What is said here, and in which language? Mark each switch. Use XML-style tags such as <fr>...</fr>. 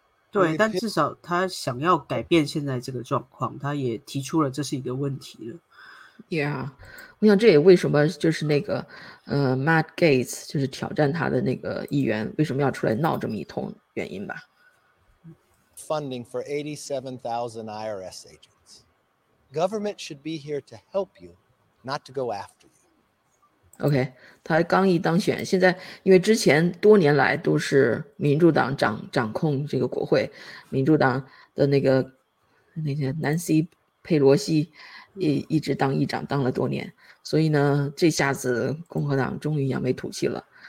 <zh>对，但至少他想要改变现在这个状况，他也提出了这是一个问题了。 Yeah， 我想这也为什么就是那个Matt Gaetz 就是挑战他的那个议员为什么要出来闹这么一通原因吧。</zh> <en>Funding for 87,000 IRS agents. Government should be here to help you, not to go after you.</en> <zh>OK， 他刚一当选，现在因为之前多年来都是民主党掌控这个国会，民主党的那个 Nancy 佩洛西一直当议长当了多年，所以呢这下子共和党终于扬眉吐气了。</zh>